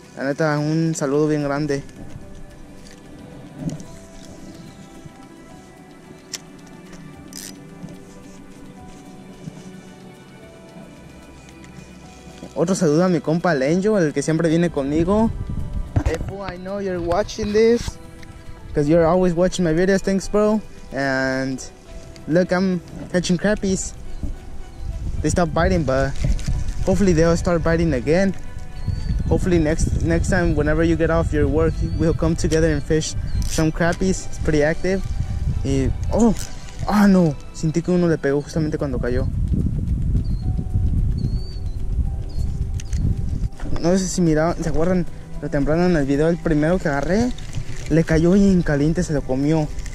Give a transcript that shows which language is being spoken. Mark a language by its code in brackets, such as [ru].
[es] La neta, un saludo bien grande. Otro saludo a mi compa Lenjo, el que siempre viene conmigo. [en] Efu, I know you're watching this, because you're always watching my videos, thanks bro. And look, I'm catching crappies. They stopped biting, but hopefully they'll start biting again. Hopefully next time, whenever you get off your work, we'll come together and fish some crappies. It's pretty active. [es] Y, oh, ah, no, sentí que uno le pegó justamente cuando cayó. No sé si miraron, se acuerdan lo temprano en el video, el primero que agarré, le cayó y en caliente se lo comió.